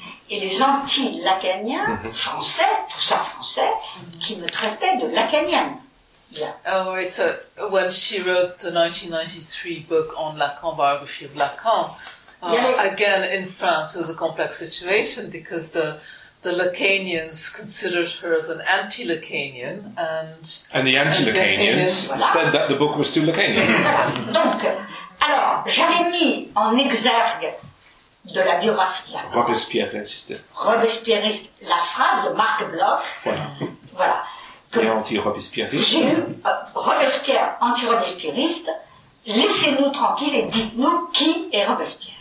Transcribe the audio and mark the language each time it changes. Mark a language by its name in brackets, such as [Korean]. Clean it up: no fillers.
[French] Et les anti-lacaniens français, tout ça français, qui me traitaient de lacanienne. [English] Yeah. Oh, right. So, when she wrote the 1993 book on Lacan, Biography of Lacan, again, in France, it was a complex situation because the Lacanians considered her as an anti-Lacanian and the anti-Lacanians said that the book was too Lacanian. [French] Donc, alors, j'avais mis en exergue de la biographie de Lacan. Robespierriste, la phrase de Marc Bloch. Voilà. Voilà. Anti-Robespierriste. J'ai eu Robespierre, anti-Robespierriste, laissez-nous tranquille et dites-nous qui est Robespierre.